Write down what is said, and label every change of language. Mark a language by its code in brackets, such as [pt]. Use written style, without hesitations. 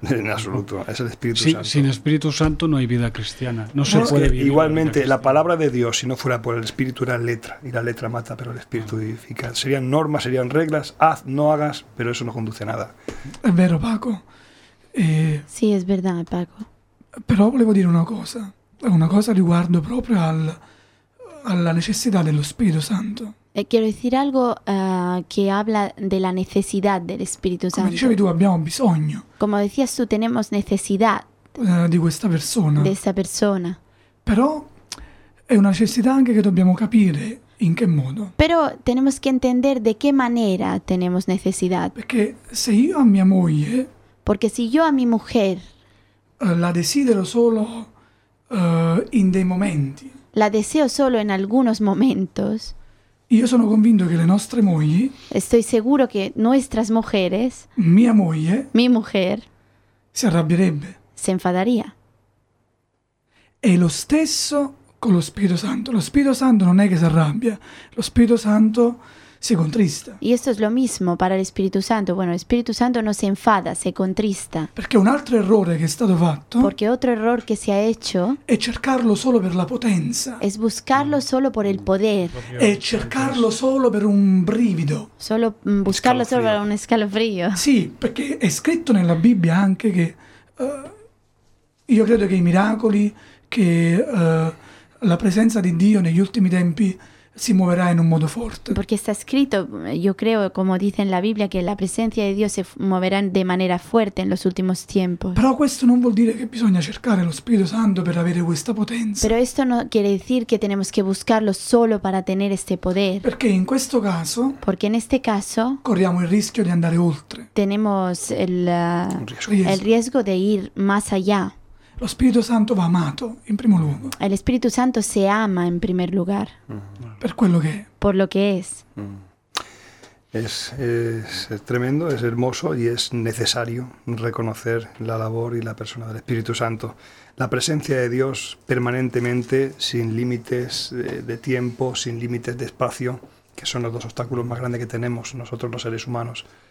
[es] En absoluto, es el Espíritu Santo. Sin Espíritu Santo no hay vida cristiana. No se puede vivir. Igualmente, la palabra de Dios, si no fuera por el Espíritu, era letra. Y la letra mata, pero el Espíritu vivifica. Serían normas, serían reglas. Haz, no hagas, pero eso no conduce a nada. [it] Es vero, Paco. [es] Sí, es verdad, Paco. [it] Pero volevo dire una cosa. Una cosa riguardo proprio alla necessità dello Spirito Santo. [es] Quiero decir algo que habla de la necesidad del Espíritu Santo. Como dices tú, [it] abbiamo bisogno. [es] Como decías tú, tenemos necesidad de esta persona. De esta persona. Pero es una necesidad [it] anche que dobbiamo capire in che modo. [es] Pero tenemos que entender de qué manera tenemos necesidad. Porque si yo a mi moglie. Porque si yo a mi mujer. [it] La desidero solo in dei momenti. [es] La deseo solo en algunos momentos. [it] Io sono convinto che le nostre mogli. [es] Estoy seguro que nuestras mujeres. [it] Mia moglie. [es] Mi mujer. [it] Si arrabbierebbe. [es] Se enfadaría. [it] È lo stesso con lo Spirito Santo. Lo Spirito Santo non è che si arrabbia. Lo Spirito Santo si contrista. [es] Y esto es lo mismo para el Espíritu Santo. Bueno, el Espíritu Santo no se enfada, se contrista. [it] Perché un altro errore che è stato fatto. [es] Porque otro error que se ha hecho. [it] È cercarlo solo per la potenza. [es] Es buscarlo solo por el poder. [it] È cercarlo solo per un brivido. [es] Solo buscarlo solo per un escalofrío. [it] Sì, perché è scritto nella Bibbia anche che io credo che i miracoli, che la presenza di Dio negli ultimi tempi [es] si moverá en un modo fuerte. Porque está escrito, yo creo, como dice en la Biblia, que la presencia de Dios se moverá de manera fuerte en los últimos tiempos. Pero esto no [it] vuol dire que bisogna cercare lo Spirito Santo per avere questa potenza. [es] Pero esto no quiere decir que tenemos que buscarlo solo para tener este poder. Porque en questo caso. Porque en este caso. [it] Corriamo [es] el riesgo de [it] andare oltre. [es] Tenemos el riesgo de ir más allá. [it] Lo Spirito Santo va amato in primo luogo. [es] El Espíritu Santo se ama en primer lugar. [it] Per quello che è. [es] Por lo que es. Es tremendo, es hermoso y es necesario reconocer la labor y la persona del Espíritu Santo. La presencia de Dios permanentemente, sin límites de tiempo, sin límites de espacio, que son los dos obstáculos más grandes que tenemos nosotros los seres humanos.